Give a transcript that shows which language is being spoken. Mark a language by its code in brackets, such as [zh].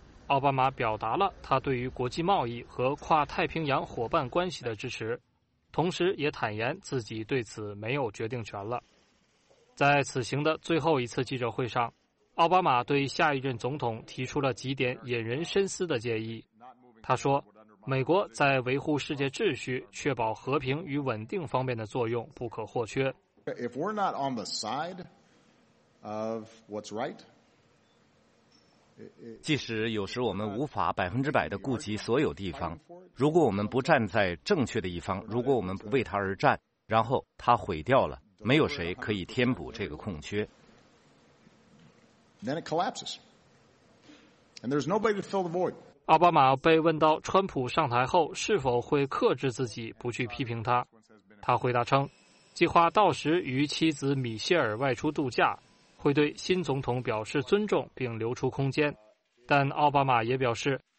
[zh] 奥巴马表达了他对于国际贸易和跨太平洋伙伴关系的支持，同时也坦言自己对此没有决定权了。在此行的最后一次记者会上，奥巴马对下一任总统提出了几点引人深思的建议。他说，美国在维护世界秩序、确保和平与稳定方面的作用不可或缺。 [en] If we're not on the side of what's right, [zh] 即使有时我们无法100%的顾及所有地方，如果我们不站在正确的一方，如果我们不为它而战，然后它毁掉了，没有谁可以填补这个空缺。 [en] Then it collapses, and there's nobody to fill the void. [zh] 奥巴马被问到川普上台后是否会克制自己不去批评他，他回答称计划到时与妻子米歇尔外出度假，会对新总统表示尊重并留出空间。但奥巴马也表示